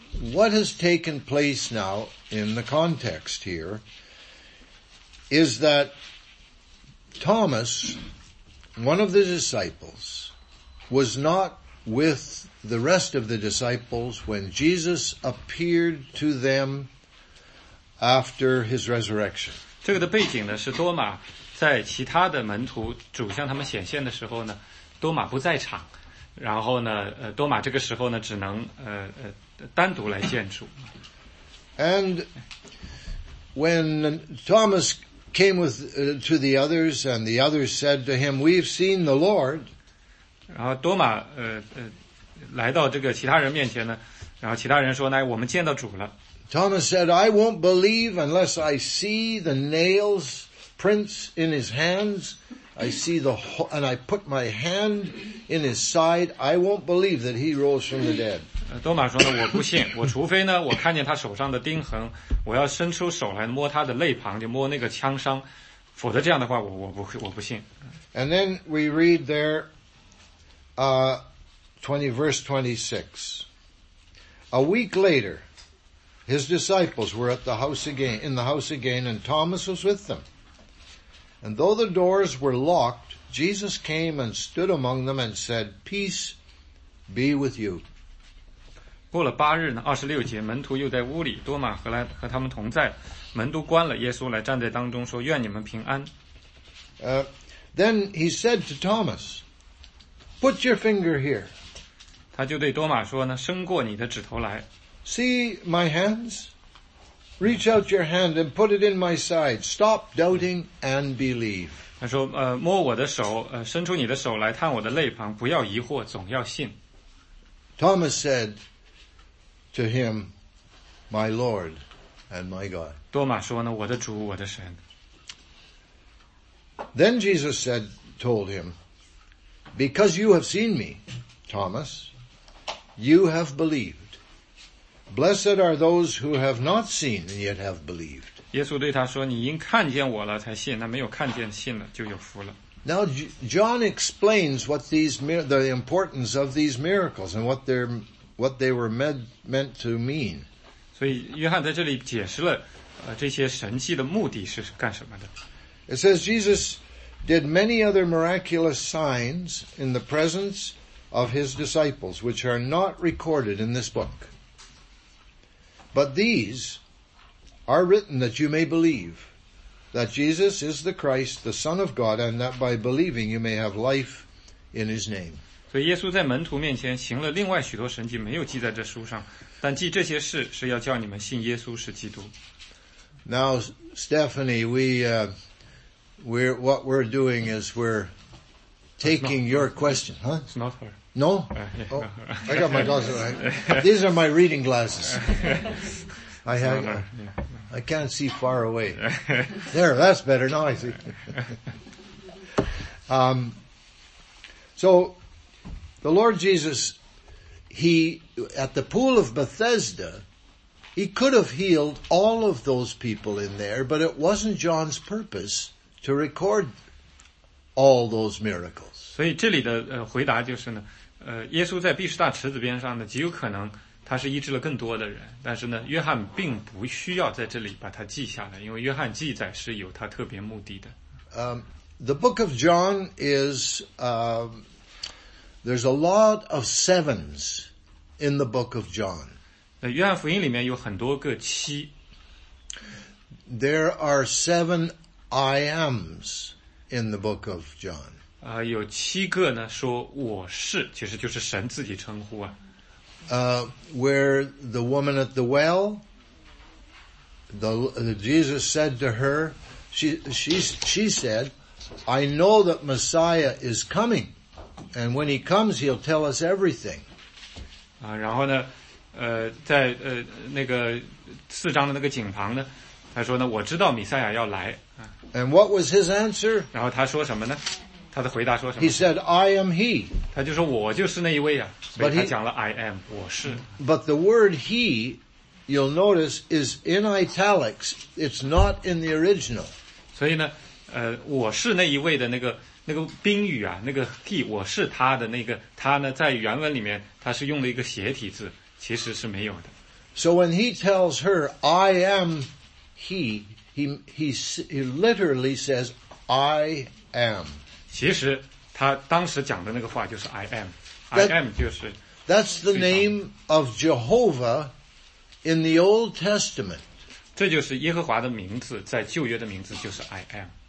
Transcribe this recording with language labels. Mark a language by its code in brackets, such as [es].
[en] What has taken place now in the context here is that Thomas, one of the disciples, was not with the rest of the disciples when Jesus appeared to them after his resurrection. [zh] 这个的背景呢，是多马在其他的门徒主向他们显现的时候呢，多马不在场，然后呢，多马这个时候呢，只能单独来见主。 [en] And when Thomas came with to the others, and the others said to him, "We've seen the Lord." [zh] 然后多马来到这个其他人面前呢，然后其他人说，来，我们见到主了。 [en] Thomas said, "I won't believe unless I see the nails prints in his hands. I see the and I put my hand in his side. I won't believe that he rose from the dead." [zh] 多马说呢，我不信，我除非呢，我看见他手上的钉痕，我要伸出手来摸他的肋旁，就摸那个枪伤，否则这样的话，我不信。 [en] And then we read there, 20:26. A week later. His disciples were at the house again, in the house again, and Thomas was with them. And though the doors were locked, Jesus came and stood among them and said, "Peace be with you." [zh] 过了八日呢，二十六节，门徒又在屋里，多马和他们同在，门都关了，耶稣来站在当中说，愿你们平安。 [en] Then he said to Thomas, "Put your finger here." [zh] 他就对多马说呢，伸过你的指头来。 [en] See my hands? Reach out your hand and put it in my side. Stop doubting and believe. [zh] 他说，摸我的手，伸出你的手来探我的肋旁，不要疑惑，总要信。 [en] Thomas said to him, "My Lord and my God." [zh] 多马说呢，我的主，我的神。 [en] Then Jesus said, told him, "Because you have seen me, Thomas, you have believed. Blessed are those who have not seen and yet have believed." [zh] 耶稣对他说，你因看见我了才信，那没有看见信了就有福了。 [en] Now John explains what the importance of these miracles and what they were meant to mean. [zh] 所以约翰在这里解释了这些神迹的目的是干什么的。 [en] It says Jesus did many other miraculous signs in the presence of his disciples which are not recorded in this book. But these are written that you may believe that Jesus is the Christ, the Son of God, and that by believing you may have life in his name. [zh] 所以耶稣在门徒面前行了另外许多神迹，没有记在这书上，但记这些事是要叫你们信耶稣是基督。 [en] Now, Stephanie, what we're doing is we're taking your question, huh? It's not her. No? Oh, I got my glasses. These are my reading glasses. I have, I can't see far away. There, that's better. Now I see. So, the Lord Jesus, He, at the pool of Bethesda, He could have healed all of those people in there, but it wasn't John's purpose to record all those miracles. [zh] 所以这里的回答就是呢，耶稣在毕士大池子边上呢，极有可能他是医治了更多的人，但是呢，约翰并不需要在这里把它记下来，因为约翰记载是有他特别目的的。 [en] The book of John is, there's a lot of sevens in the book of John. [zh] 约翰福音里面有很多个七。 [en] There are seven I ams in the book of John. [zh] 有七个呢说我是，其实就是神自己称呼啊。 [en] Where the woman at the well, Jesus said to her, she said, I know that Messiah is coming, and when he comes, he'll tell us everything. [zh] 然后呢在那个四章的那个井旁呢，他说呢，我知道弥赛亚要来。 [en] And what was his answer? [zh] 然后他说什么呢？他的回答说什么 [en] ？He said, "I am He." [zh] 他就说我就是那一位啊。所以他讲了 [en] "I am," [zh] 我是。 [en] But the word "He," you'll notice, is in italics. It's not in the original. [zh] 所以呢，我是那一位的那个宾语啊，那个 [en] "He"， [zh] 我是他的那个他呢，在原文里面他是用了一个斜体字。其实是没有的。 [en] So when he tells her, I am he, he literally says, I am. [zh] 其实他当时讲的那个话就是 [en] I am. That, I am [zh] 就是。 [en] That's the name of Jehovah in the Old Testament. [zh] 这就是耶和华的名字，在旧约的名字就是 [en] I am.